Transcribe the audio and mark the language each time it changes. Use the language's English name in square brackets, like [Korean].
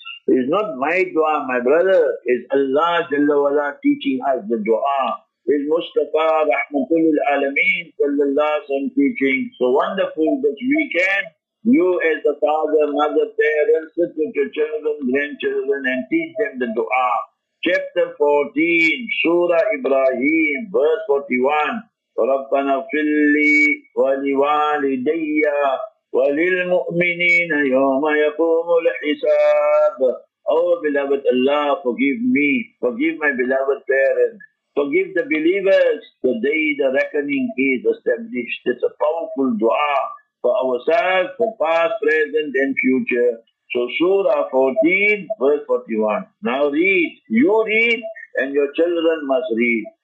[English] It's not my dua, my brother. It's Allah Jalla Wala teaching us the dua. It's Mustafa Rahmatul Alameen Sallallahu Alaihi Wasallam teaching. So wonderful that we can, you as the father, mother, parents, sit with your children, grandchildren, and teach them the dua. Chapter 14, Surah Ibrahim, verse 41. [Arabic] رَبَّنَا فِلِّ وَلِوَالِدَيَّ وللمؤمنين يوم يقوم الحساب. [English] Oh beloved Allah, forgive me, forgive my beloved parents, forgive the believers, the day the reckoning is established. It's a powerful dua for ourselves, for past, present and future. So Surah 14, verse 41. Now read, you read and your children must read.